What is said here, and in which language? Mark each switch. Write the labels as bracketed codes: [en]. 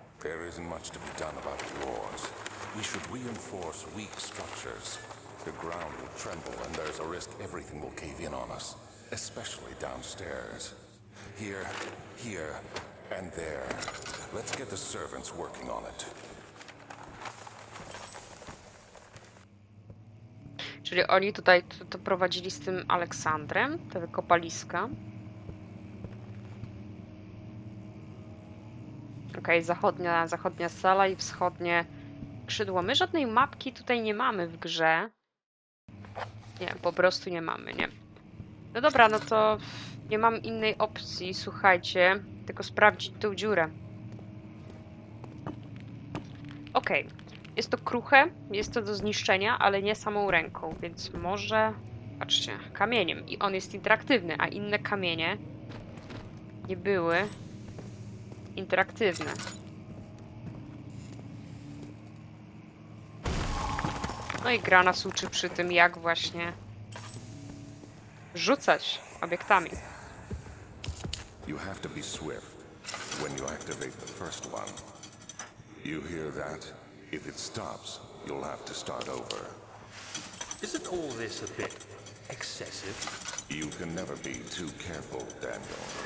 [en] There isn't much to be done about the wars. We should reinforce weak structures. The ground will tremble and there's a risk everything will cave in on us. Especially downstairs. Here, here, and there. Let's get the servants working on it. [pl] Czyli oni tutaj to prowadzili z tym Aleksandrem, te wykopaliska. Okej, zachodnia sala i wschodnie krzydło. My żadnej mapki tutaj nie mamy w grze. Nie, po prostu nie mamy, nie. No dobra, no to nie mam innej opcji, słuchajcie, tylko sprawdzić tę dziurę. Okej. Jest to kruche, jest to do zniszczenia, ale nie samą ręką, więc może... Patrzcie, kamieniem. I on jest interaktywny, a inne kamienie nie były interaktywne. No i gra nas uczy przy tym, jak właśnie rzucać obiektami. [en] You have to be swift when you activate the first one. You hear that? If it stops, you'll have to start over. Isn't all this a bit excessive? You can never be too careful, Daniel.